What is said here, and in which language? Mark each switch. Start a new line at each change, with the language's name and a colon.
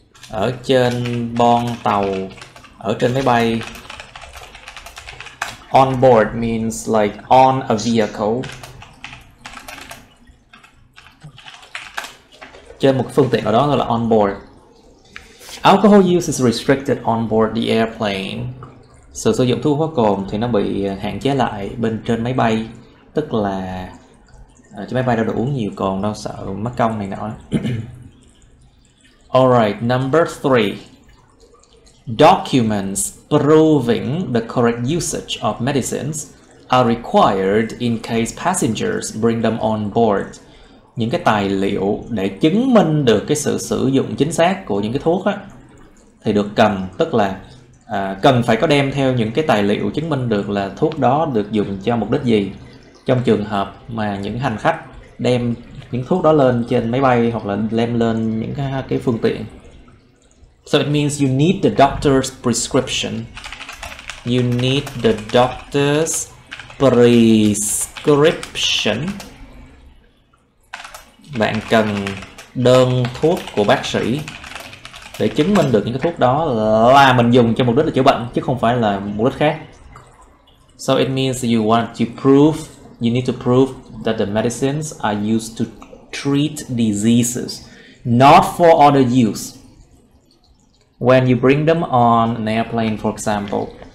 Vietnamese: Ở trên bon tàu, ở trên máy bay.
English: On board means like on a vehicle.
Vietnamese: Trên một phương tiện nào đó gọi là on board.
English: Alcohol use is restricted on board the airplane.
Vietnamese: Sự sử dụng thuốc có cồn thì nó bị hạn chế lại bên trên máy bay. Tức là trên máy bay đâu được uống nhiều cồn đâu, sợ mất công này nọ.
English: Alright, number 3. Documents proving the correct usage of medicines are required in case passengers bring them on board.
Vietnamese: Những cái tài liệu để chứng minh được cái sự sử dụng chính xác của những cái thuốc á thì được cần, tức là cần phải có đem theo những cái tài liệu chứng minh được là thuốc đó được dùng cho mục đích gì trong trường hợp mà những hành khách đem những thuốc đó lên trên máy bay hoặc là đem lên những cái phương tiện.
English: So it means you need the doctor's prescription. You need the doctor's prescription.
Vietnamese: Bạn cần đơn thuốc của bác sĩ để chứng minh được những cái thuốc đó là mình dùng cho mục đích là chữa bệnh chứ không phải là mục đích khác.
English: So it means you want to prove, you need to prove that the medicines are used to treat diseases, not for other use. When you bring them on an airplane, for example.